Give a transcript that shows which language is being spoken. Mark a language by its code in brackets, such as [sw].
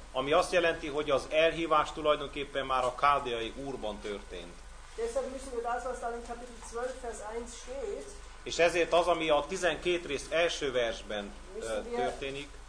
[hu] Ami azt jelenti, hogy az elhívás tulajdonképpen már a káldeai Úrban történt. [de] Deshalb müssen wir das, was dann in Kapitel 12, Vers 1 steht, [hu] és ezért az, ami a 12 rész első versben történik.